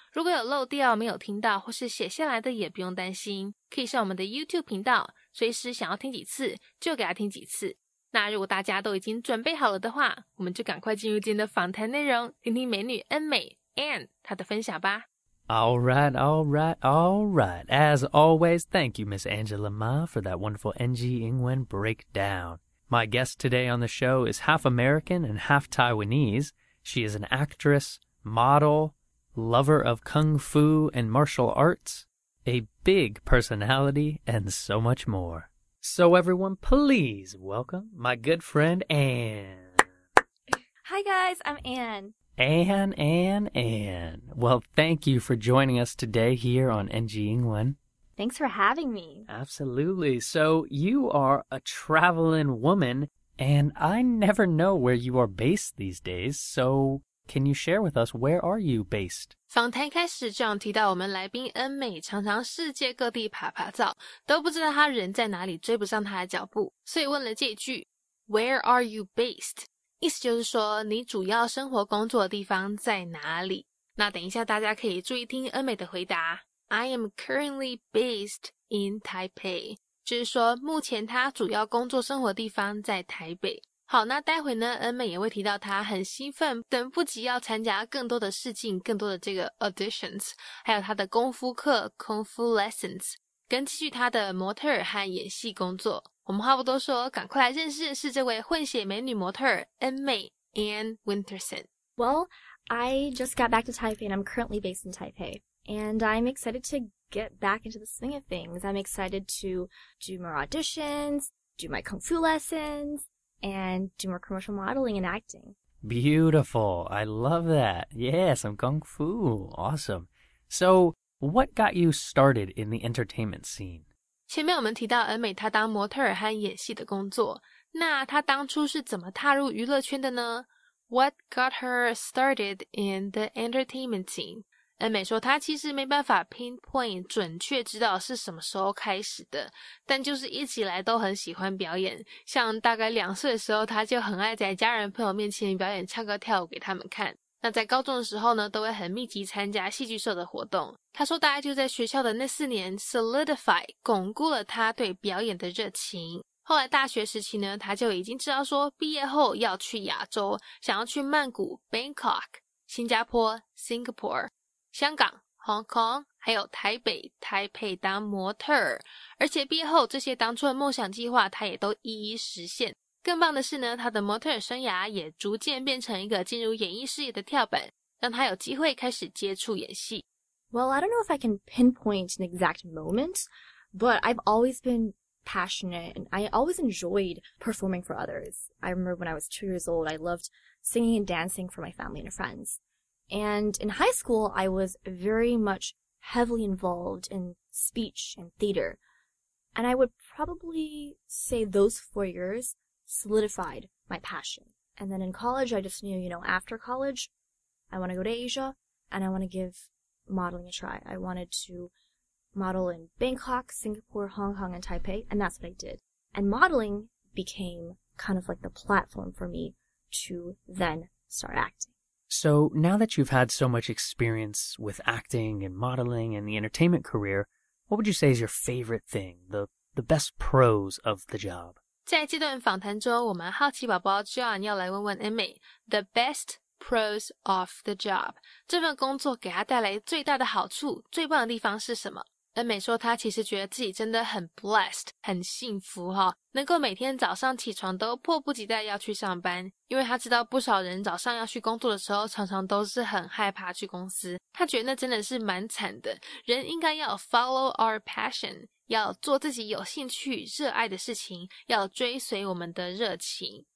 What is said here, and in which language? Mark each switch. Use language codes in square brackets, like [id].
[zh] 如果有漏掉没有听到或是写下来的也不用担心，可以上我们的 YouTube 频道，随时想要听几次就给他听几次。那如果大家都已经准备好了的话，我们就赶快进入今天的访谈内容，听听美女恩美 Anne 她的分享吧。 [en] All right, all right, all right. As always, thank you, Miss Angela Ma, for that wonderful NG Ingwen breakdown. My guest today on the show is half American and half Taiwanese. She is an actress, model, lover of kung fu and martial arts, a big personality, and so much more. So everyone, please welcome my good friend, Anne. Hi guys, I'm Anne. Anne. Well, thank you for joining us today here on NG Ingwen. Thanks for having me. Absolutely. So you are a traveling woman, and I never know where you are based these days. So can you share with us, where are you based? [zh] 访谈开始就提到我们来宾恩美常常世界各地爬爬照，都不知道她人在哪里，追不上她的脚步。所以问了这句 , [en] Where are you based? [zh] 意思就是说你主要生活工作的地方在哪里。那等一下大家可以注意听恩美的回答。 [en] I am currently based in Taipei. [zh] 就是说目前她主要工作生活地方在台北。好，那待会呢恩美也会提到她很兴奋，等不及要参加更多的试镜，更多的这个 auditions, 还有她的功夫课 Kung Fu Lessons, 跟继续她的模特和演戏工作。我们话不多说，赶快来认识是这位混血美女模特恩美 Anne Winterson. [en] Well, I just got back to Taipei and I'm currently based in Taipei. And I'm excited to get back into the swing of things. I'm excited to do more auditions, do my kung fu lessons, and do more commercial modeling and acting. Beautiful. I love that. Yeah, some kung fu. Awesome. So, what got you started in the entertainment scene? [zh] 前面我们提到恩美她当模特和演戏的工作。那她当初是怎么踏入娱乐圈的呢? [en] What got her started in the entertainment scene? [zh] 恩美说她其实没办法 pinpoint 准确知道是什么时候开始的，但就是一直以来都很喜欢表演，像大概两岁的时候她就很爱在家人朋友面前表演唱歌跳舞给他们看。那在高中的时候呢，都会很密集参加戏剧社的活动。她说大概就在学校的那四年 solidify 巩固了她对表演的热情。后来大学时期呢，她就已经知道说毕业后要去亚洲，想要去曼谷 Bangkok 新加坡 Singapore香港 Hong Kong 还有台北 Taipei 当模特儿，而且毕业后这些当初的梦想计划他也都一一实现。更棒的是呢，他的模特儿生涯也逐渐变成一个进入演艺事业的跳板，让他有机会开始接触演戏。 [en] Well, I don't know if I can pinpoint an exact moment, but I've always been passionate and I always enjoyed performing for others. I remember when I was 2 years old, I loved singing and dancing for my family and friendsAnd in high school, I was very much heavily involved in speech and theater. And I would probably say those 4 years solidified my passion. And then in college, I just knew, you know, after college, I want to go to Asia and I want to give modeling a try. I wanted to model in Bangkok, Singapore, Hong Kong, and Taipei, and that's what I did. And modeling became kind of like the platform for me to then start acting. So now that you've had so much experience with acting and modeling and the entertainment career, what would you say is your favorite thing, the best pros of the job? [zh] 在这段访谈中，我们好奇宝宝 John 要来问问 Amy, [en] the best pros of the job, [zh] 这份工作给他带来最大的好处，最棒的地方是什么？恩美说她其实觉得自己真的很 blessed, 很幸福哈，能够每天早上起床都迫不及待要去上班，因为她知道不少人早上要去工作的时候常常都是很害怕去公司，她觉得那真的是蛮惨的，人应该要 [en] follow our passion, [zh] 要做自己有兴趣热爱的事情，要追随我们的热情。